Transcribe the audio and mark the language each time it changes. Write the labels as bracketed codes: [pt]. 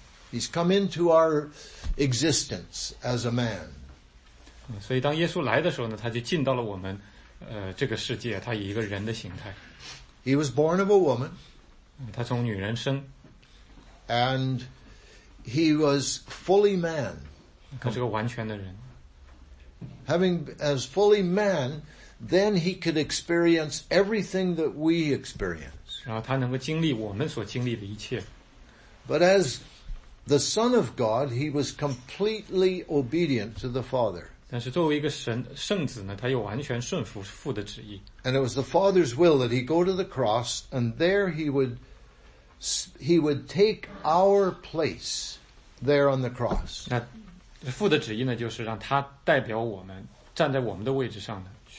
[en] He's come into our existence as a man. [zh] 所以当耶稣来的时候呢，他就进到了我们，这个世界，他以一个人的形态。 [en] He was born of a woman. [zh] 他从女人生。 [en] And he was fully man. [zh] 他是个完全的人。 [en] Having as fully man, then he could experience everything that we experience. [zh] 然后他能够经历我们所经历的一切。 [en] But as the Son of God, he was completely obedient to the Father. [zh] 但是作为一个神圣子呢，他又完全顺服父的旨意。 [en] And it was the Father's will that he go to the cross, and there he would take our place there on the cross. [zh] 那父的旨意呢，就是让他代表我们站在我们的位置上呢。